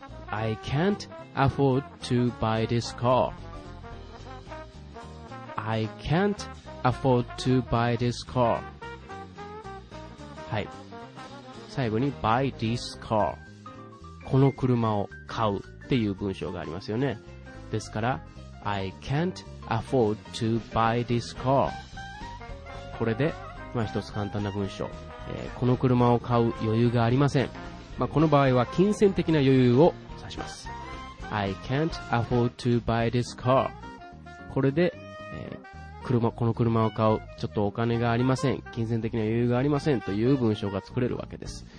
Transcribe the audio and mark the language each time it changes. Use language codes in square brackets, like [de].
[en] I can't afford to buy this car. I can't afford to buy this car. はい。 [ja] 最後に [en] buy this car. [ja] この車を買うっていう文章がありますよね。ですから [en] I can't afford to buy this car. [ja] これで、まあ一つ簡単な文章。この車を買う余裕がありません。まあこの場合は金銭的な余裕をします。 [en] I can't afford to buy this car. [ja] これで、この車を買うちょっとお金がありません、金銭的な余裕がありませんという文章が作れるわけです。